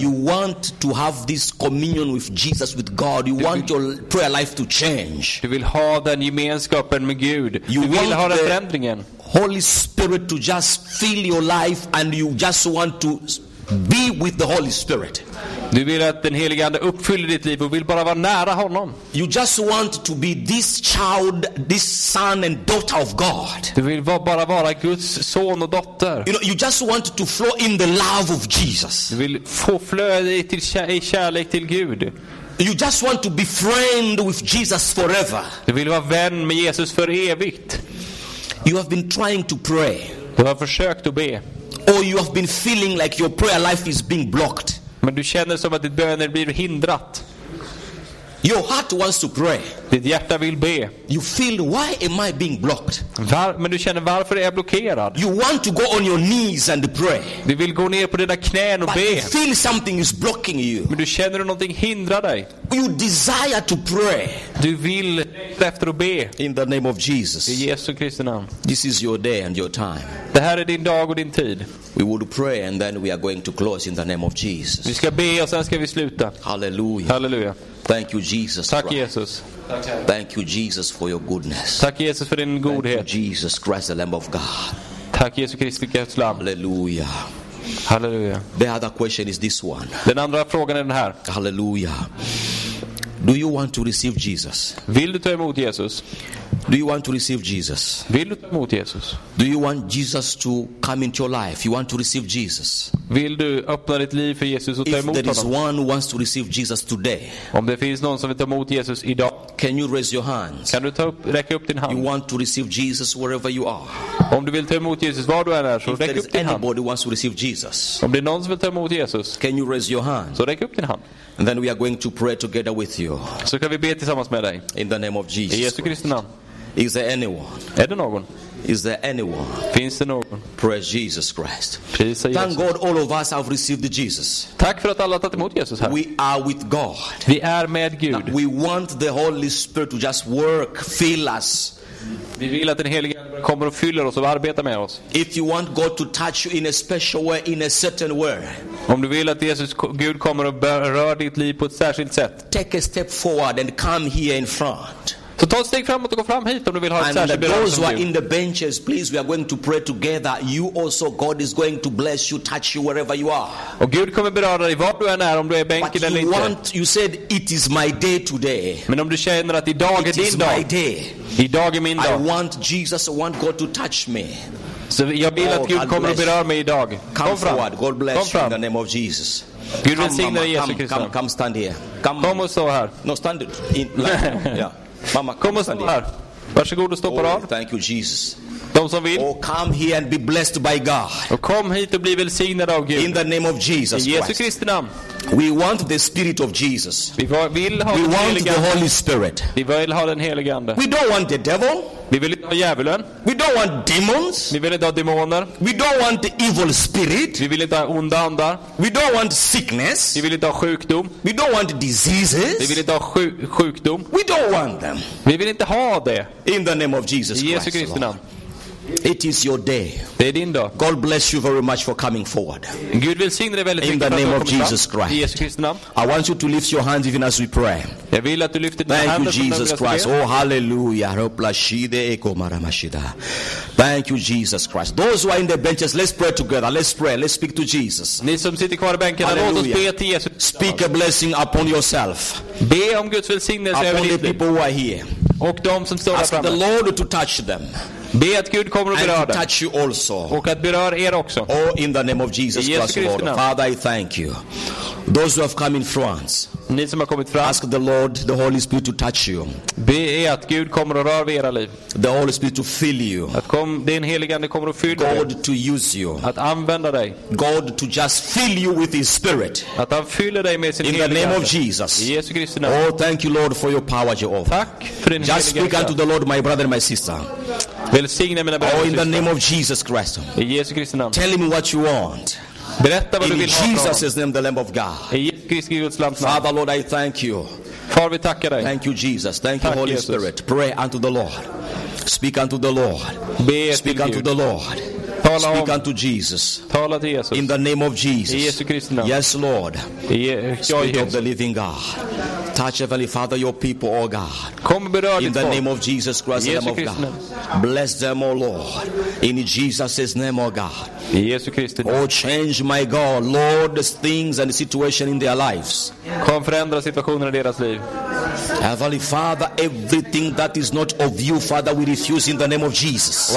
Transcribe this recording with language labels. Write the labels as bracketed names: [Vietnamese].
[English] You want to have this communion with Jesus, with God. You want your prayer life to change. [Swedish] Du vill ha den gemenskapen med Gud. [English] You [Swedish] vill ha den förändringen. [English] Holy Spirit to just fill your life and you just want to be with the Holy Spirit. [Swedish] Du vill att den helige ande uppfyller ditt liv och vill bara vara nära honom. [English] You just want to be this child, this son and daughter of God. [Swedish] Du vill bara vara Guds son och dotter. [English] You know, you just want to flow in the love of Jesus. [Swedish] Du vill få flöda i kärlek till Gud. [English] You just want to be friend with Jesus forever. [Swedish] Du vill vara vän med Jesus för evigt. [English] You have been trying to pray. [Swedish] Du har försökt att be. [English] Or you have been feeling like your prayer life is being blocked. [Swedish] Men du känner som att ditt böner blir hindrat. [English] Your heart wants to pray. [Swedish] Ditt hjärta vill be. [English] You feel, why am I being blocked? [Swedish] Men du känner, varför är jag blockerad? [English] You want to go on your knees and pray. [Swedish] Du vill gå ner på dina knän och [English] but [Swedish] be. [English] You feel something is blocking you. [Swedish] Men du känner att någonting hindrar dig. [English] You desire to pray. [Swedish] Du vill efter att be. [English] In the name of Jesus. [Swedish] I Jesu Kristi namn. [English] This is your day and your time. [Swedish] Det här är din dag och din tid. [English] We will pray and then we are going to close in the name of Jesus. [Swedish] Vi ska be och sen ska vi sluta. [English] Hallelujah. [Swedish] Hallelujah. [English] Thank you, Jesus. [Swedish] Tack Christ. Jesus. [English] Thank you, Jesus, for your goodness. [Swedish] Tack Jesus för din godhet. [English] Thank you, Jesus Christ, the Lamb of God. [Swedish] Tack Jesus Kristi, Guds lam. [English] Hallelujah. [Swedish] Hallelujah. [English] The other question is this one. [Swedish] Den andra frågan är den här. [English] Hallelujah. Do you want to receive Jesus? [Swedish] Vill du ta emot Jesus? [English] Do you want to receive Jesus? [Swedish] Vill du ta emot Jesus? [English] Do you want Jesus to come into your life? You want to receive Jesus? [Swedish] Vill du öppna ditt liv för Jesus och ta emot honom? [English] If there is one who wants to receive Jesus today. [Swedish] Om det finns någon som vill ta emot Jesus idag. [English] Can you raise your hands? [Swedish] Kan du räcka upp din hand? [English] You want to receive Jesus wherever you are. [Swedish] Om du vill ta emot Jesus var du än är, så räck upp din hand. [English] Anybody wants to receive Jesus. [Swedish] Om det är någon som vill ta emot Jesus. [English] Can you raise your hand? [Swedish] Så räck upp din hand. [English] And then we are going to pray together with you. [Swedish] Så kan vi be tillsammans med dig. [English] In the name of Jesus. [Swedish] I Jesu Kristi namn. [English] Is there anyone? [Swedish] Är det någon? [English] Is there anyone? [Swedish] Finns det någon? [English] Praise Jesus Christ. [Swedish] Prisa Jesus. [English] Thank God all of us have received Jesus. [Swedish] Tack för att alla har tagit emot Jesus här. [English] We are with God. [Swedish] Vi är med Gud. [English] Now, we want the Holy Spirit to just work, fill us. [Swedish] Vi vill att den helige Ande kommer och fyller oss och arbetar med oss. [English] If you want God to touch you in a special way, in a certain way. [Swedish] Om du vill att Jesus Gud kommer och berör ditt liv på ett särskilt sätt. [English] Take a step forward and come here in front. [Swedish] Så ta ett steg framåt och gå fram hit om du vill ha ett särskilt berörelse. [English] And those who are in the benches, please, we are going to pray together. You also, God is going to bless you, touch you wherever you are. [Swedish] Och Gud kommer beröra dig var du än är, om du är i bänken eller inte. [English] Want, you said, it is my day today. [Swedish] Men om du känner att idag [English] it [Swedish] är din [English] is [Swedish] dag. [English] My day. [Swedish] Idag är min dag. [English] I want Jesus, I want God to touch me. [Swedish] Så jag vill att Gud kommer och berör mig idag. [English] Come [Swedish] kom fram. [English] Forward. God bless you in the name of Jesus. [Swedish] Gud välsigna dig, Jesus Kristus. [English] Come stand here. [Swedish] Kom och stå här. [English] No, stand it. In, like, yeah. Mamma, [Swedish] kom och stå här. Varsågod och stoppa av. [English] Thank you Jesus. [Swedish] De som vill. [English] Oh, come here and be blessed by God. [Swedish] Och kom hit och bli välsignad av Gud. [English] In the name of Jesus. [Swedish] I Jesu Kristi namn. [English] We want the Spirit of Jesus. [Swedish] Vi vill ha [English] we [Swedish] den [English] want [Swedish] heligande. [English] The Holy Spirit. [Swedish] Vi vill ha den helige Ande. [English] We don't want the devil. [Swedish] Vi vill inte ha djävulen. [English] We don't want demons. [Swedish] Vi vill inte ha demoner. [English] We don't want the evil spirit. [Swedish] Vi vill inte ha onda andar. [English] We don't want sickness. [Swedish] Vi vill inte ha sjukdom. [English] We don't want diseases. [Swedish] Vi vill inte ha sjukdom. [English] We don't want them. [Swedish] Vi vill inte ha det. [English] In the name of Jesus Christ. [Swedish] I Jesu Kristi namn. [English] It is your day. [Swedish] Det är din dag. [English] God bless you very much for coming forward. [Swedish] Gud välsigne dig väldigt [English] mycket. In the name of Jesus Christ. [Swedish] I Jesu Kristi namn. [English] I want you to lift your hands even as we pray. [Swedish] Jag vill att du lyfter dina [English] thank you Jesus Christ. Oh hallelujah. Roplashide ekomara mashida. Thank you Jesus Christ. Those who are in the benches, let's pray together. Let's pray. Let's speak to Jesus. [Swedish] Ni som sitter kvar i bänken, låt oss be till Jesus. [English] Speak a blessing upon yourself. [Swedish] Be om Guds välsignelse över [English] the people who are here. [Swedish] Och de som står där framme. [English] Ask the Lord to touch them. [Swedish] Be att Gud kommer och berör dig. [English] And touch you also. [Swedish] Och att beröra er också. [English] Oh, in the name of Jesus Christ, Lord. Father, I thank you. Those who have come in France. [Swedish] Ni som har kommit fram. [English] Ask the Lord, the Holy Spirit to touch you. [Swedish] Be att Gud kommer och rör vid era liv. [English] The Holy Spirit to fill you. [Swedish] Att kom, den helige Ande kommer och fyller [English] God [Swedish] dig. [English] To use you. [Swedish] Att använda dig. [English] God to just fill you with His Spirit. [Swedish] Att han fyller dig med sin helige [English] Ande. In the name of Jesus. [Swedish] I Jesu Kristi namn. [English] Oh, thank you Lord for your power, Jehovah. [Swedish] Tack för din [English] just speak unto the Lord, my brother and my sister. [Swedish] Välsigna mina bröder och systrar. [English] Oh, in the name of Jesus Christ. [Swedish] I Jesu Kristi namn. [English] Tell him what you want. [Swedish] Berätta vad du vill [English] Jesus [Swedish] ha [English] is name, the Lamb of God. [Swedish] I Jesu Kristi Guds lands [English] namn. Father Lord, I thank you. [Swedish] Far vi tackar dig. [English] Thank you Jesus. Thank [Swedish] tack [English] you Holy [Swedish] Jesus. [English] Spirit. Pray unto the Lord. Speak unto the Lord. [Swedish] Be [English] speak unto [Swedish] Gud. [English] The Lord. [Swedish] Tala [English] speak [Swedish] om. [English] Unto Jesus. [Swedish] Tala till Jesus. [English] In the name of Jesus. [Swedish] I Jesu Kristi namn. [English] Yes Lord. Spirit of the living God. Touch heavenly Father your people, oh God. [Swedish] Kom berör [English] in the name of Jesus Christ, the Lamb of God. Bless them, oh Lord. In Jesus' name, oh God. Jesus Christ. Oh, change my God, Lord, the things and the situation in their lives. [Swedish] Kom förändra situationen i deras liv. [English] Heavenly Father, everything that is not of you, Father, we refuse in the name of Jesus.